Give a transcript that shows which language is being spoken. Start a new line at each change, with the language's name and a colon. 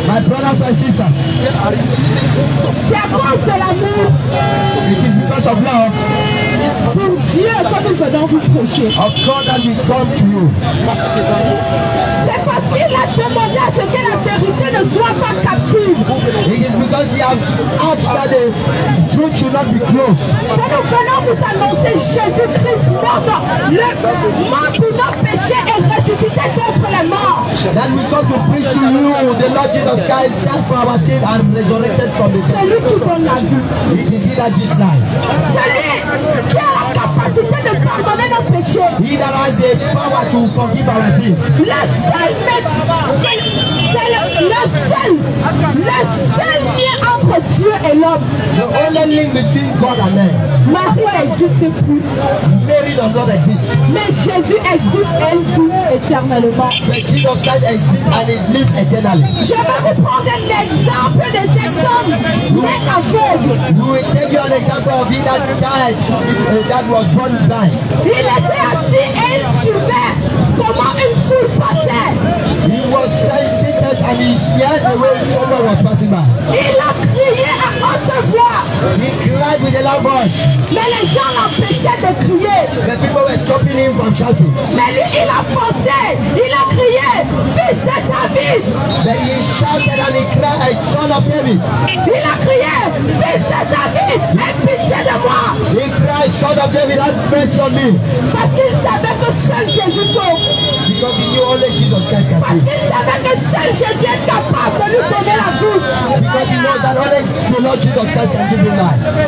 English: My brothers and sisters.
French: C'est à cause de l'amour.
English: It is because of love.
French: Pour Dieu, quand nous venons vous prêcher.
English: Of God that we come to you.
French: C'est parce qu'il a demandé à ce que la vérité ne soit pas captive.
English: It is because he has asked that the truth should not be closed.
French: Que nous venons vous annoncer Jésus-Christ mort, le mort pour nos péchés et ressuscité contre la mort.
English: That we come to preach to you the Lord Jesus Christ, died for our sins and resurrected from the dead.
French: C'est lui qui donne la vie.
English: It is he that gives life.
French: C'est lui. Qui a la capacité de pardonner nos péchés?
English: He that has the power to forgive our sins.
French: Le seul maître, le seul lien entre Dieu et l'homme.
English: The only link between God and man.
French: Marie n'existe plus.
English: Mary does not exist.
French: Mais Jésus existe et vit éternellement.
English: But Jesus Christ exists and is lived eternally.
French: Je vais vous prendre l'exemple de cet homme né aveugle.
English: We will take you an example of him that died. That was born blind.
French: Il était assis et il suivait comment une foule passait.
English: He was seated and he heard the way someone was passing by.
French: Il a crié à haute voix.
English: He cried with a loud voice.
French: Mais les gens l'empêchaient de crier.
English: The people were stopping him from shouting.
French: Mais lui, il a pensé. Il a crié, fils de David.
English: Then he shouted and he cried, hey, son of David.
French: Il a crié, fils de David, aie pitié de moi.
English: He cried, son of David, have mercy on me.
French: Parce qu'il savait que seul Jésus sauve.
English: Because he knew only Jesus Christ can save.
French: Parce qu'il savait que seul Jésus est capable de lui donner la vie.
English: Because he knows that only the Lord Jesus Christ can give him life.